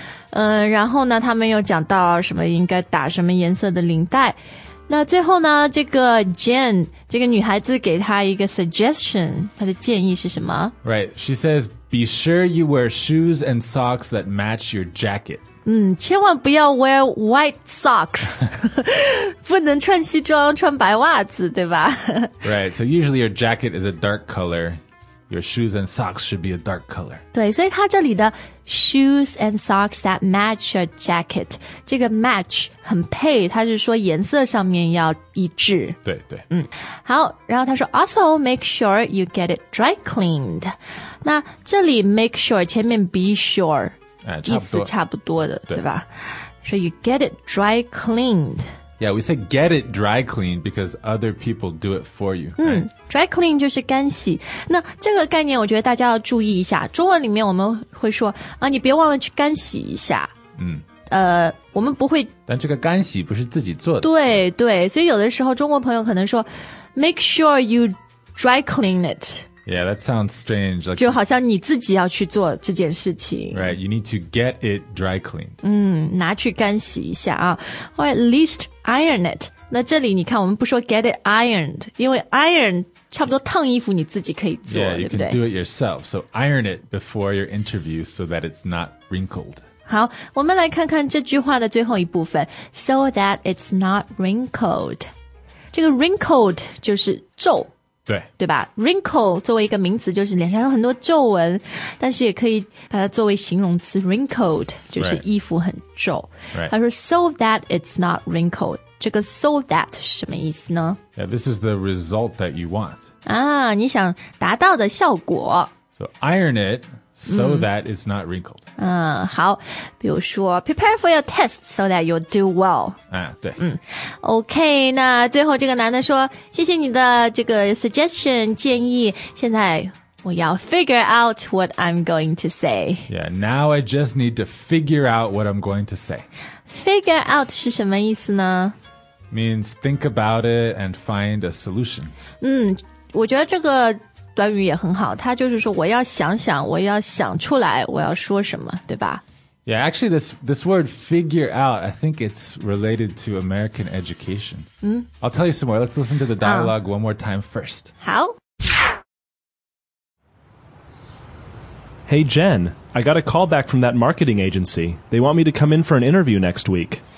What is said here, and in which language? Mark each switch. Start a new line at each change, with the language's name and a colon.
Chinese: 然后呢他们又讲到什么应该打什么颜色的领带。那最后呢这个 Jen, 这个女孩子给她一个 suggestion, 她的建议是什么 Right, she says, be sure you wear shoes and socks that match your jacket. 千万不要
English: wear white socks.
Chinese: 不能穿西装穿白袜子对吧
English: Right, so usually your jacket is a dark color. Your shoes and socks should be a dark color.
Chinese: 对所以她这里的
English: Shoes and socks that match a jacket.
Chinese: 这个 match 很配，它是说颜色上面要一致。对对，好，然后他说
English: ，also make sure you get it dry cleaned.
Chinese: 那这里 make sure 前面 be sure，差不多意思差不多的，对吧？所以
English: you get it dry cleaned， Yeah, we say get it dry clean because other people do it for you.
Chinese: Dry clean 就是干洗。那这个概念我觉得大家要注意一下。中文里面我们会说啊，你别忘了去干洗一下。我们不会。但这个干洗不是自己做的。对对，所以有的时候中国朋友可能说
English: make sure you dry clean it。 Yeah, that sounds strange. Like,
Chinese: 就好像你自己要去做这件事情。
English: Right, you need to get it dry cleaned.
Chinese: 拿去干洗一下啊。
English: Or at least iron it.
Chinese: 那这里你看我们不说
English: get it ironed,
Chinese: 因为 iron 差不多烫衣服你自己可以做
English: yeah,
Chinese: 对不对
English: Yeah, you can do it yourself. So iron it before your interview so that it's not wrinkled.
Chinese: 好我们来看看这句话的最后一部分
English: So that it's not wrinkled.
Chinese: 这个 wrinkled 就是皱。对对吧 ?wrinkle 作为一个名词就是脸上有很多皱纹但是也可以把它作为形容词 wrinkled, 就是衣服很皱。
English: Right.
Chinese: 他说
English: so that it's not wrinkled,
Chinese: 这个 so that 什么意思呢
English: yeah, this is the result that you want.
Chinese: 啊你想达到的效果。
English: So iron it so that it's not wrinkled.
Chinese: 好比如说
English: prepare for your test so that you'll do well.
Chinese: 对。 OK, 那最后这个男的说谢谢你的这个 suggestion, 建议现在我要
English: figure out what I'm going to say. Yeah, now I just need to figure out what I'm going to say.
Chinese: Figure out 是什么意思呢
English: Means think about it and find a solution.
Chinese: 我觉得这个短语也很好它就是说我要想想我要想出来我要说什么对吧
English: Yeah, actually this word figure out, I think it's related to American education. I'll tell you some more. Let's listen to the dialogue one more time first.
Chinese: 好
English: Hey Jen, I got a call back from that marketing agency. They want me to come in for an interview next week.